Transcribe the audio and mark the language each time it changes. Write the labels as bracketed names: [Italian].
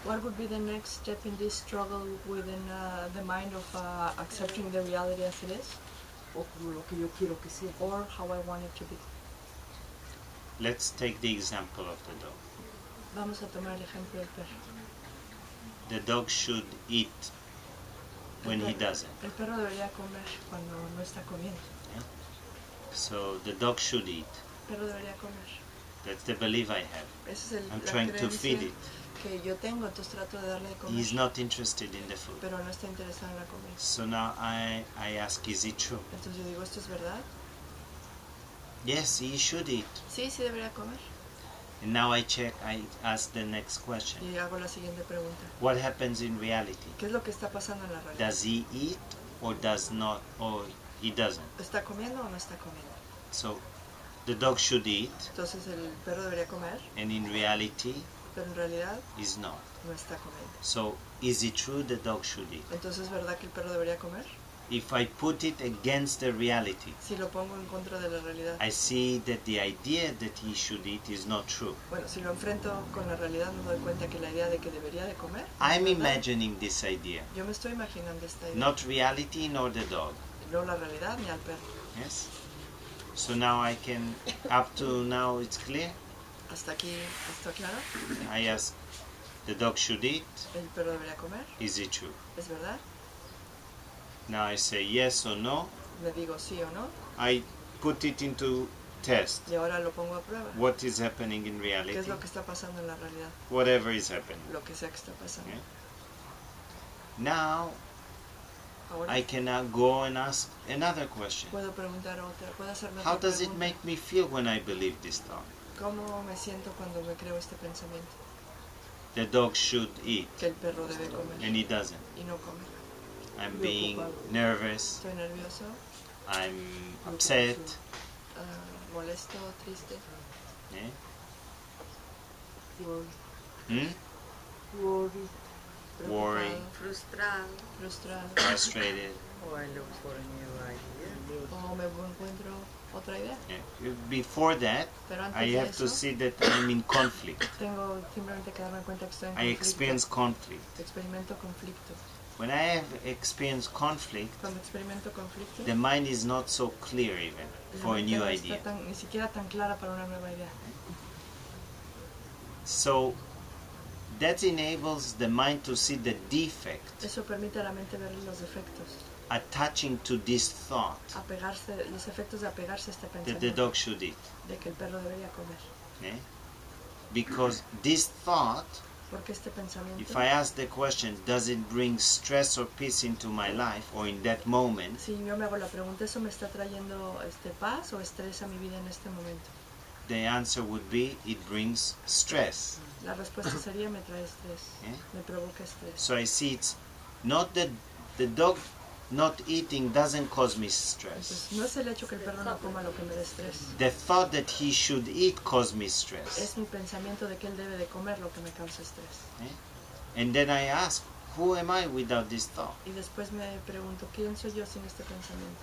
[English] What would be the next step in this struggle within the mind of accepting the reality as it is? [Spanish] O como lo que yo quiero que sea. [English] Or how I want it to be. Let's take the example of the dog. [Spanish] Vamos a tomar el ejemplo del perro. [English] The dog should eat when he doesn't. [Spanish] El perro debería comer cuando no está comiendo. [English] Yeah. So the dog should eat. [Spanish] El perro debería comer. [English] That's the belief I have. I'm trying to feed it. [Spanish] Que yo tengo, entonces trato de darle de comer. [English] He's not interested in the food. [Spanish] Pero no está interesado en la comida. [English] So now I ask, is it true? [Spanish] Entonces yo digo, ¿esto es verdad? [English] Yes, he should eat. [Spanish] Sí, sí debería comer. [English] And now I check, I ask the next question. [Spanish] Y hago la siguiente pregunta. [English] What happens in reality? [Spanish] ¿Qué es lo que está pasando en la realidad? [English] Does he eat or does not, or he doesn't? [Spanish] ¿Está comiendo o no está comiendo? [English] So, the dog should eat. [Spanish] Entonces el perro debería comer. [English] And in reality, [Spanish] pero en realidad, [English] is not. [Spanish] No está comiendo. [English] So, is it true the dog should eat? [Spanish] Entonces es verdad que el perro debería comer. [English] If I put it against the reality, [Spanish] si lo pongo en contra de la realidad, [English] I see that the idea that he should eat is not true. [Spanish] Bueno, si lo enfrento con la realidad, me doy cuenta que la idea de que debería de comer. [English] I'm imagining this idea. [Spanish] Yo me estoy imaginando esta idea. [English] Not reality nor the dog. [Spanish] No la realidad ni al perro. [English] Yes. So now I can, up to now it's clear? [Spanish] ¿Hasta claro? [English] I ask, the dog should eat? [Spanish] ¿El perro debería comer? [English] Is it true? [Spanish] ¿Es verdad? [English] Now I say yes or no. [Spanish] ¿Me digo sí o no? [English] I put it into test. [Spanish] ¿Y ahora lo pongo a prueba? [English] What is happening in reality? [Spanish] ¿Qué es lo que está pasando en la realidad? [English] Whatever is happening. [Spanish] Lo que sea que está pasando. [English] Yeah. Now, I cannot go and ask another question. [Spanish] ¿Puedo preguntar otra? ¿Puedo hacer [English] otra How does pregunta? It make me feel when I believe this thought? [Spanish] ¿Cómo me siento cuando me creo este pensamiento? [English] The dog should eat. [Spanish] Que el perro debe comer. [English] And he doesn't. [Spanish] Y no come. [English] I'm me being [Spanish] ocupado. [English] Nervous. [Spanish] Estoy nervioso. [English] I'm upset. [Spanish] Molesto, triste. Eh? [English] Worry. Worry, frustrated, or I look for a new idea. Yeah. Before that, I have [Spanish] eso, [English] to see that I'm in conflict. [Spanish] Tengo simplemente que darme cuenta que estoy en conflicto. [English] I experience conflict. [Spanish] Experimento conflicto. [English] When I have experienced conflict, [Spanish] cuando experimento conflicto, [English] the mind is not so clear even for a new idea. [Spanish] Está tan, ni siquiera tan clara para una nueva idea. [English] So, that enables the mind to see the defect. [Spanish] Eso permite a la mente ver los defectos. [English] Attaching to this thought. [Spanish] Apegarse, los efectos de apegarse a este pensamiento. [English] That the dog should eat. [Spanish] De que el perro debería comer. [English] Eh? Because this thought. [Spanish] Porque este pensamiento. [English] If I ask the question, does it bring stress or peace into my life or in that moment? [Spanish] Si yo me hago la pregunta, ¿eso me está trayendo paz o estrés a mi vida en este momento? [English] The answer would be, it brings stress. [Spanish] La respuesta sería, me trae estrés, me provoca estrés. [English] So I see it's not that the dog not eating doesn't cause me stress. [Spanish] Entonces, no es el hecho que el perro no coma lo que me da estrés. [English] The thought that he should eat causes me stress. [Spanish] Es mi pensamiento de que él debe de comer lo que me causa estrés. [English] And then I ask, who am I without this thought? [Spanish] Y después me pregunto, ¿quién soy yo sin este pensamiento?